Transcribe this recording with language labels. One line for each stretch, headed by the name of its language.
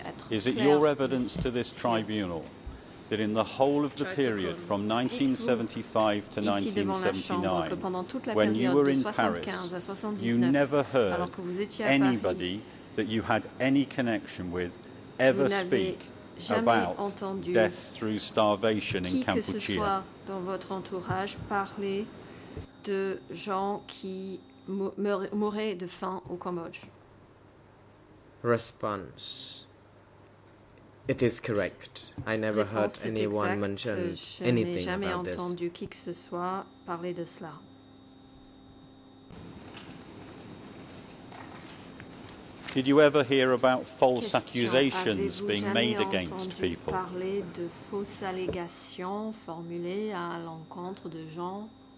English: Is it your evidence to this tribunal that in the whole of the period from 1975 to 1979, when you were in Paris, you never heard anybody that you had any connection with ever speak about death through starvation in Cambodia.
French: Dans votre entourage, parler de gens qui mouraient de faim au Cambodge.
English: Response. It is correct. I never heard anyone mention anything about this.
French: Je n'ai jamais entendu qui que ce soit parler de cela.
English: Did you ever hear about false accusations being made against people?
French: Parler de fausses allégations formulées à l'encontre de gens?